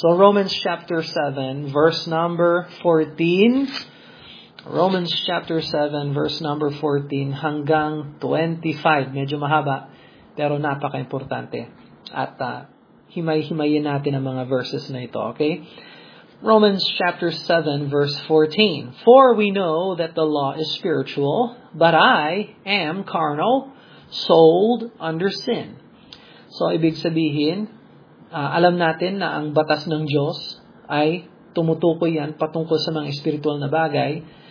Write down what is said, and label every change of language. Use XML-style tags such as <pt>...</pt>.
<en>So, Romans chapter 7, verse number 14. Romans chapter 7, verse number 14 hanggang 25.</en> <tl>Medyo mahaba, pero napaka-importante. At himay-himayin natin ang mga verses na ito, okay?</tl> <en>Romans chapter 7, verse 14. For we know that the law is spiritual, but I am carnal, sold under sin.</en> <tl>So, ibig sabihin, alam natin na ang batas ng Diyos ay tumutukoy yan patungkol sa mga espiritual na bagay.</tl>